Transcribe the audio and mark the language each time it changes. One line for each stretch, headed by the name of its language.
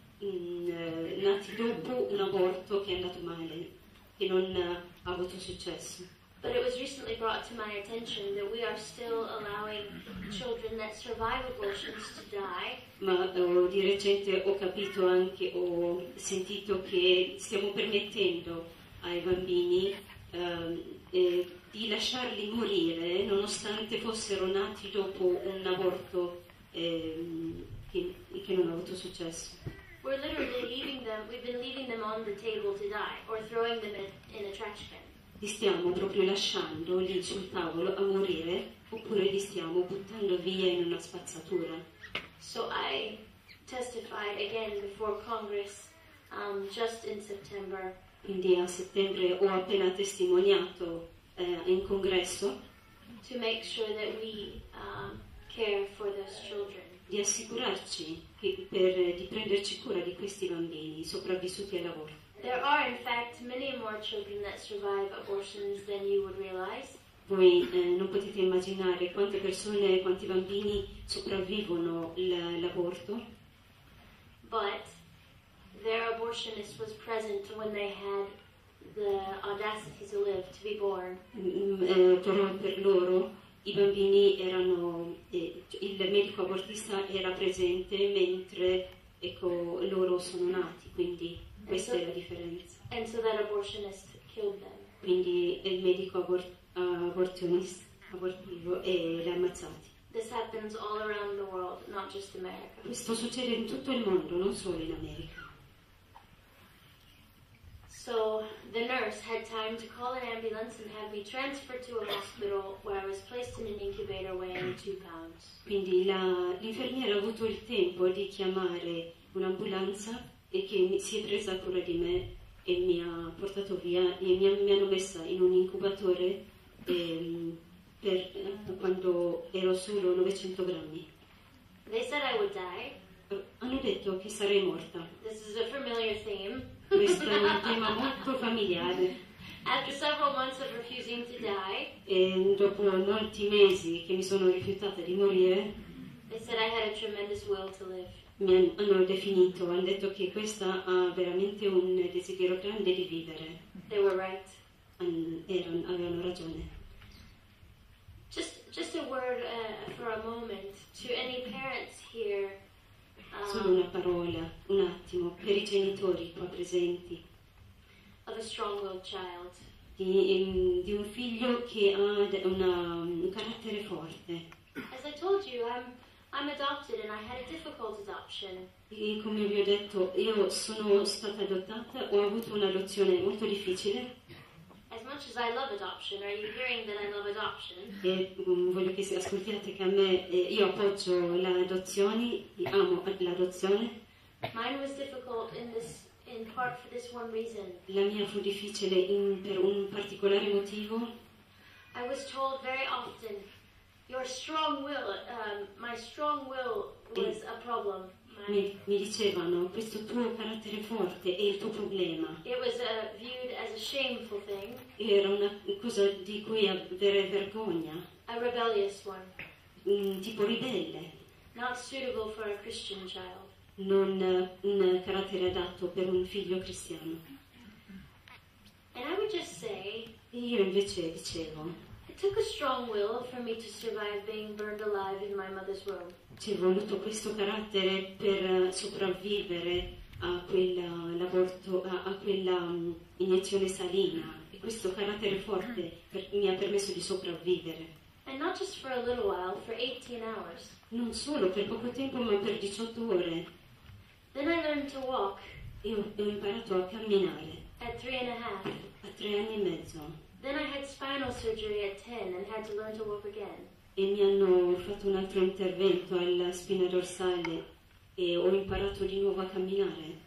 Italian: Nati dopo un aborto che è andato male, che non ha avuto successo.
English: But it was recently brought to my attention that we are still allowing children that survive abortions to die.
Italian: Ma di recente ho capito anche, ho sentito che stiamo permettendo ai bambini di lasciarli morire nonostante fossero nati dopo un aborto che non ha avuto successo.
English: We're literally leaving them, we've been leaving them on the table to die, or throwing them in a trash can.
Italian: Li stiamo proprio lasciando lì sul tavolo a morire, oppure li stiamo buttando via in una spazzatura.
English: So I testified again before Congress, just in September.
Italian: Quindi a settembre ho appena testimoniato in Congresso.
English: To make sure that we care for those children.
Italian: Di assicurarci, di prenderci cura di questi bambini sopravvissuti al lavoro.
English: There are in fact many more children that survive abortions than you would realize.
Italian: Voi non potete immaginare quante persone, quanti bambini sopravvivono l'aborto.
English: But their abortionist was present when they had the audacity to live, to be born.
Italian: Per loro i bambini erano, il medico abortista era presente mentre, ecco, loro sono nati, quindi questa è la differenza.
English: And so that abortionist killed them.
Italian: Quindi il medico abortivo e li ha ammazzati.
English: This happens all around the world, not just America.
Italian: Questo succede in tutto il mondo, non solo in America.
English: So the nurse had time to call an ambulance and have me transferred to a hospital where I was placed in an incubator weighing 2 pounds.
Italian: Quindi l'infermiera ha avuto il tempo di chiamare un'ambulanza e che si è presa cura di me e mi ha portato via e mi hanno messa in un incubatore per quando ero solo 900 grammi.
English: They said I would die.
Italian: Hanno detto che sarei morta.
English: This is a familiar theme.
Italian: Questo è un tema molto familiare.
English: After several months of refusing to die,
Italian: e dopo molti mesi che mi sono rifiutata di morire,
English: they said I had a tremendous will to live.
Italian: Mi hanno definito, hanno detto che questa ha veramente un desiderio grande di vivere.
English: They were right.
Italian: Avevano ragione.
English: Just a word for a moment to any parents here.
Italian: Solo una parola, un attimo, per i genitori qua presenti.
English: Of a strong-willed child.
Italian: Di un figlio che ha un carattere forte.
English: As I told you, I'm adopted and I had a difficult adoption.
Italian: E come vi ho detto, io sono stata adottata, ho avuto un'adozione molto difficile.
English: As much as I love adoption, are you hearing that I love adoption?
Italian: E voglio che si ascoltiate che a me io appoggio l'adozione, amo l'adozione.
English: Mine was difficult in part for this one reason.
Italian: La mia fu difficile per un particolare motivo.
English: I was told very often, your strong will, my strong will was a problem.
Italian: mi dicevano questo tuo carattere forte è il tuo problema.
English: It was viewed as a shameful thing.
Italian: Era una cosa di cui avere vergogna.
English: A rebellious one.
Italian: Tipo ribelle.
English: Not suitable for a Christian child.
Italian: Non un carattere adatto per un figlio cristiano.
English: And I would just say,
Italian: io invece dicevo,
English: it took a strong will for me to survive being burned alive in my mother's womb.
Italian: Ci è voluto questo carattere per sopravvivere a quell'aborto, a quella iniezione salina. E questo carattere forte mi ha permesso di sopravvivere.
English: And not just for a little while, for 18 hours.
Italian: Non solo per poco tempo, ma per 18 ore.
English: Then I learned to walk.
Italian: Io ho imparato a camminare.
English: At 3 and a half.
Italian: A 3 anni e mezzo.
English: Then I had spinal surgery at 10 and had to learn to walk again.
Italian: E mi hanno fatto un altro intervento alla spina dorsale e ho imparato di nuovo a camminare.